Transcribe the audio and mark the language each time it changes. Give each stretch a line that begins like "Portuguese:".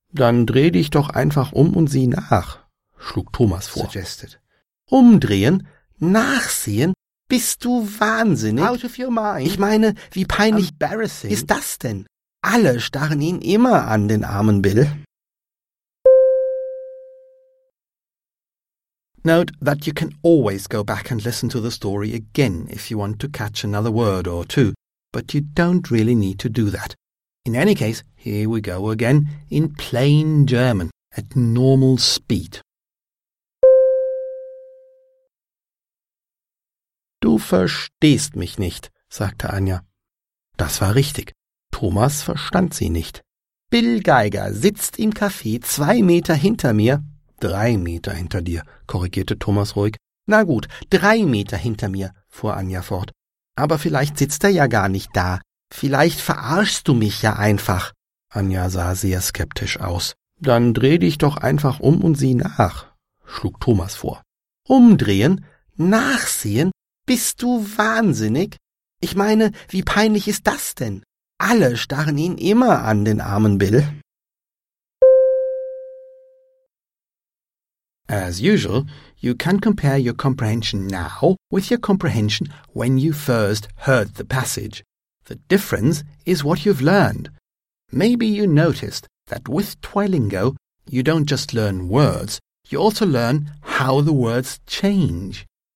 German: Dann dreh dich doch einfach um und sieh nach, schlug Thomas vor.
English: Suggested.
German: Umdrehen? Nachsehen? Bist du wahnsinnig?
English: Out of your mind.
German: Ich meine, wie peinlich
English: embarrassing
German: ist das denn? Alle starren ihn immer an, den armen Bill.
English: Note that you can always go back and listen to the story again if you want to catch another word or two, but you don't really need to do that. In any case, here we go again, in plain German, at normal speed.
German: Du verstehst mich nicht, sagte Anya. Das war richtig. Thomas verstand sie nicht. Bill Geiger sitzt im Café 2 Meter hinter mir. 3 Meter hinter dir, korrigierte Thomas ruhig. Na gut, 3 Meter hinter mir, fuhr Anya fort. Aber vielleicht sitzt er ja gar nicht da. Vielleicht verarschst du mich ja einfach. Anya sah sehr skeptisch aus. Dann dreh dich doch einfach um und sieh nach, schlug Thomas vor. Umdrehen? Nachsehen? Bist du wahnsinnig? Ich meine, wie peinlich ist das denn? Alle starren ihn immer an, den armen Bill.
English: As usual, you can compare your comprehension now with your comprehension when you first heard the passage. The difference is what you've learned. Maybe you noticed that with Twilingo, you don't just learn words, you also learn how the words change.